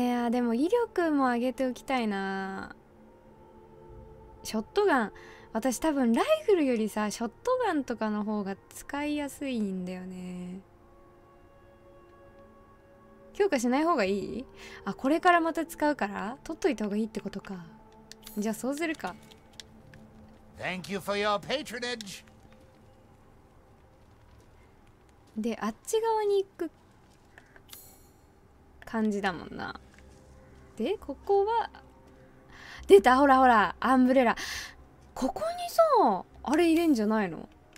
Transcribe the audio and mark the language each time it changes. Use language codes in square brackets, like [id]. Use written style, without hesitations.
[ja] でも威力も上げておきたいな。ショットガン、私多分ライフルよりさ、ショットガンとかの方が使いやすいんだよね。強化しない方がいい？あ、これからまた使うから取っといた方がいいってことか。じゃあそうするか。 [en] Thank you for your patronage. [ja] で、あっち側に行く感じだもんな。で、ここは出た、ほらほら、アンブレラ。ここにさ、あれ入れんじゃないの？